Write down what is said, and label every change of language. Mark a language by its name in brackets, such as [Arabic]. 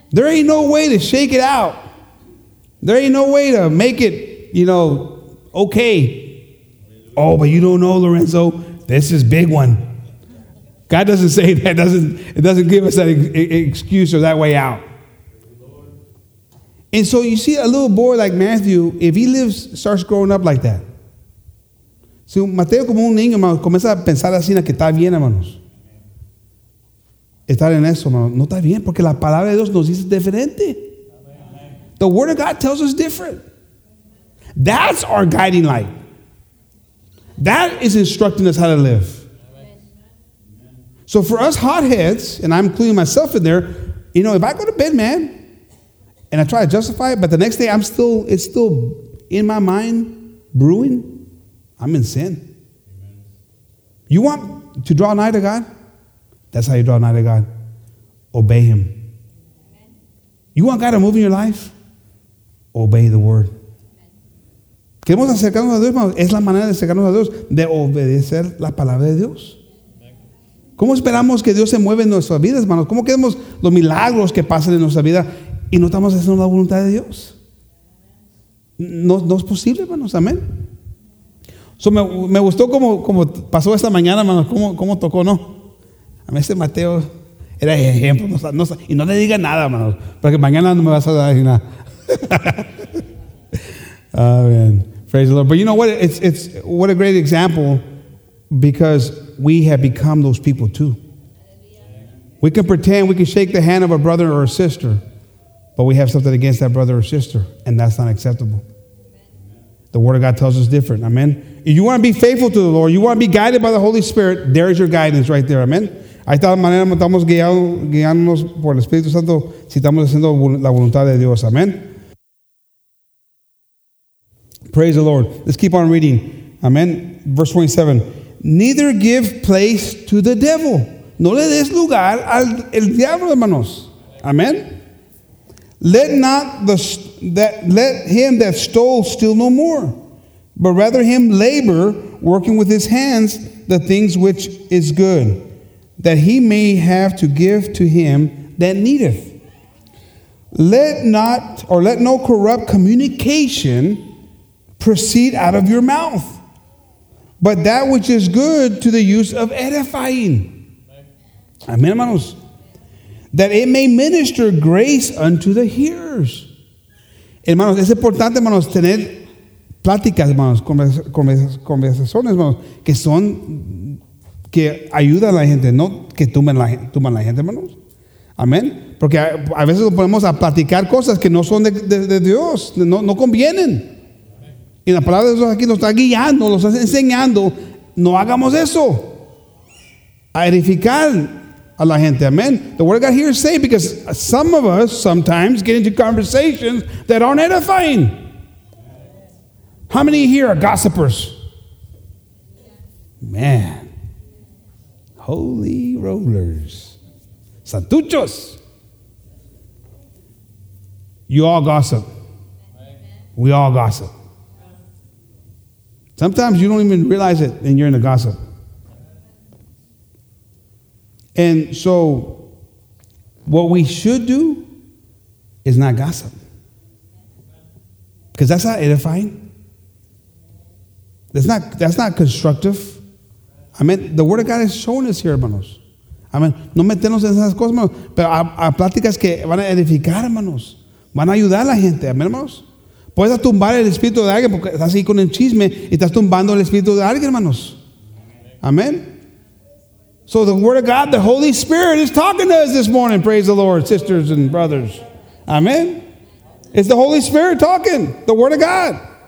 [English] There ain't no way to shake it out. There ain't no way to make it, you know, okay. Oh, but you don't know, Lorenzo. This is big one. God doesn't say that. It doesn't give us that excuse or that way out. And so you see a little boy like Matthew, if he starts growing up like that, [Spanish] Si Mateo como un niño, hermano, comienza a pensar así, que está bien, hermanos. Estar en eso, hermano, no está bien, porque la palabra de Dios nos dice diferente. [English] The word of God tells us different. That's our guiding light. That is instructing us how to live. So for us hotheads, and I'm including myself in there, you know, if I go to bed, man, and I try to justify it, but the next day I'm still, it's still in my mind brewing, I'm in sin. You want to draw nigh to God? That's how you draw nigh to God. Obey Him. You want God to move in your life? Obey the word. [Spanish] Queremos acercarnos a Dios, hermano. Es la manera de acercarnos a Dios, de obedecer la palabra de Dios. ¿Cómo esperamos que Dios se mueva en nuestras vidas, hermanos? ¿Cómo queremos los milagros que pasen en nuestra vida y no estamos haciendo la voluntad de Dios? No, no es posible, hermanos. Amén. So, me gustó como pasó esta mañana, hermanos. ¿Cómo tocó, no? A mí este Mateo era ejemplo. Y no le diga nada, hermanos, porque mañana no me vas a dar nada. [English] Amen. Praise the Lord. But you know what? It's what a great example, because we have become those people too. We can pretend, we can shake the hand of a brother or a sister, but we have something against that brother or sister, and that's not acceptable. The word of God tells us different. Amen. If you want to be faithful to the Lord, you want to be guided by the Holy Spirit, there is your guidance right there. Amen. [Spanish] Ahí está la manera como estamos guiándonos por el Espíritu Santo si estamos haciendo la voluntad de Dios. Amen. [English] Praise the Lord. Let's keep on reading. Amen. Verse 27. Neither give place to the devil. [Spanish] No le des lugar al el diablo, hermanos. Amen. [English] Let not let him that stole steal no more, but rather him labor, working with his hands the things which is good, that he may have to give to him that needeth. Let no corrupt communication proceed out of your mouth, but that which is good to the use of edifying. Amen, hermanos. That it may minister grace unto the hearers. [Spanish] Hermanos, es importante, hermanos, tener pláticas, hermanos, conversaciones, hermanos, que son, que ayudan a la gente, no que tumban a la gente, hermanos. Amén. Porque a veces nos ponemos a platicar cosas que no son de Dios, no convienen. Y la palabra de Dios aquí nos está guiando, nos está enseñando, no hagamos eso. A edificar a la gente, amén. [English] The word of God here is saying, because some of us sometimes get into conversations that aren't edifying. How many here are gossipers? Man. Holy rollers. Santuchos. You all gossip. We all gossip. Sometimes you don't even realize it and you're in the gossip. And so what we should do is not gossip. Because that's not edifying. That's not constructive. I mean, the word of God is showing us here, hermanos. I mean, [Spanish] no meternos en esas cosas, hermanos. Pero hay pláticas que van a edificar, hermanos. Van a ayudar a la gente, amén, hermanos. Puedes tumbar el espíritu de alguien porque estás ahí con el chisme y estás tumbando el espíritu de alguien, hermanos. Amén. [English] So the word of God, the Holy Spirit, is talking to us this morning. Praise the Lord, sisters and brothers. Amén. It's the Holy Spirit talking, the word of God.